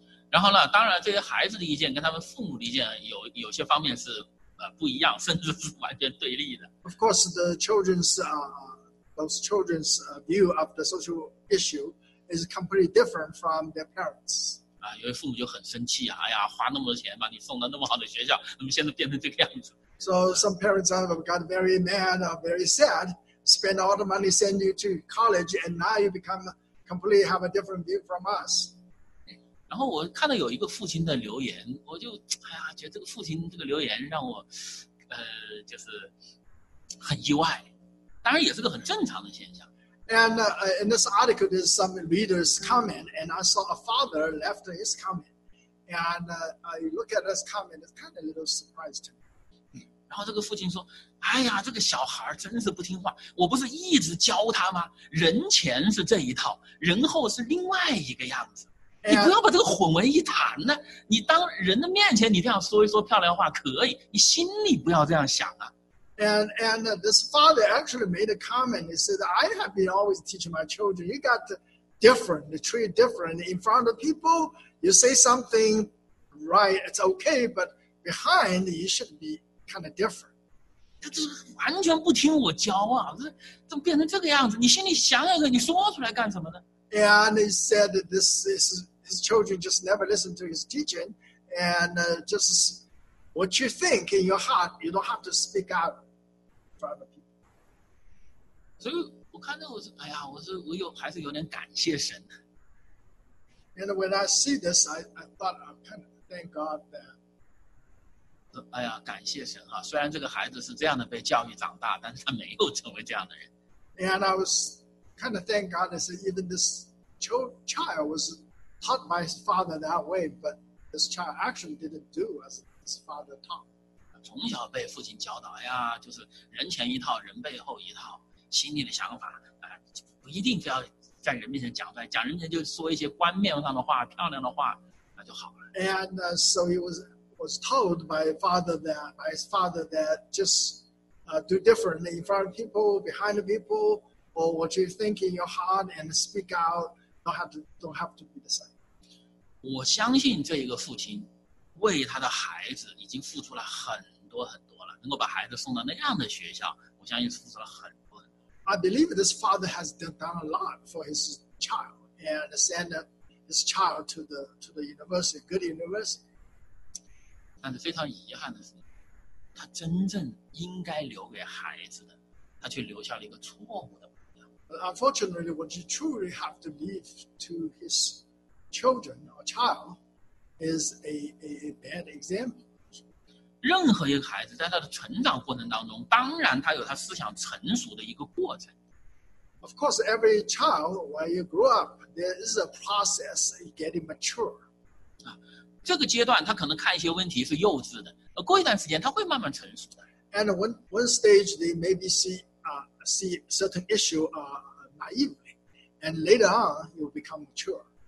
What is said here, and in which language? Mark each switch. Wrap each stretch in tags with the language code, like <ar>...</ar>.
<zh>然后呢，当然这些孩子的意见跟他们父母的意见有些方面是。不一样，甚至是完全对立的。</zh> <en>Of course, the children's those children's view of the social issue is completely different from their parents.</en> <zh>啊，有些父母就很生气啊！哎呀，花那么多钱把你送到那么好的学校，怎么现在变成这个样子</zh> <en>？So some parents have got very mad, very sad, spend all the money send you to college, and now you become completely have a different view from us.</en> <zh>然后我看到有一个父亲的留言，我就哎呀，觉得这个父亲这个留言让我，就是很意外。当然也是个很正常的现象。</zh> <en>And in this article, there's some readers comment, and I saw a father left his comment, and I look at his comment, it's kind of a little surprised to me.</en> <zh>然后这个父亲说：“哎呀，这个小孩真是不听话，我不是一直教他吗？人前是这一套，人后是另外一个样子。” 你不要把这个混为一谈呢、啊、你当人的面前你这样说一说漂亮话可以你心里不要这样想啊。</zh> <en>And this father actually made a comment, he said, I have been always teaching my children, you got different, treat different in front of people, you say something right, it's okay, but behind you should be kind of different.</en> <zh>这是完全不听我教啊这怎么变成这个样子你心里想想看你说出来干什么呢</zh> <en>And he said that his children just never listened to his teaching. And just what you think in your heart, you don't have to speak out for other people.</en> <zh>So, 我看到我是哎呀，我是我有还是有点感谢神。</zh> <en>And when I see this, I thought I'm kind of thank God that.</en> <zh>哎呀，感谢神啊！虽然这个孩子是这样的被教育长大，但是他没有成为这样的人。</zh> <en>And I was. Kind of thank God that even this child was taught by his father that way, but this child actually didn't do as his father taught.</en> <zh>从小被父亲教导呀，就是人前一套，人背后一套，心里的想法啊，不一定非要在人面前讲出来，讲人前就说一些冠冕上的话、漂亮的话，那就好了。</zh> <en>And so he was told by his father that just do differently in front of people, behind the people. Or what you think in your heart and speak out don't have to be the same.</en> <zh>我相信这一个父亲为他的孩子已经付出了很多很多了，能够把孩子送到那样的学校，我相信付出了很多很多。</zh> <en>I believe this father has done a lot for his child and send his child to the university, good university.</en> <zh>但是非常遗憾的是，他真正应该留给孩子的，他却留下了一个错误的。</zh> <en>Unfortunately, what you truly have to leave to his children or child is a bad example.</en> <zh>任何一个孩子在他的成长过程当中，当然他有他思想成熟的一个过程。</zh> <en>Of course, every child, when you grow up, there is a process in getting mature.</en> <zh>这个阶段他可能看一些问题是幼稚的，过一段时间他会慢慢成熟的。</zh> <en>And one stage they maybe see certain issue naively, and later on you become mature.</en>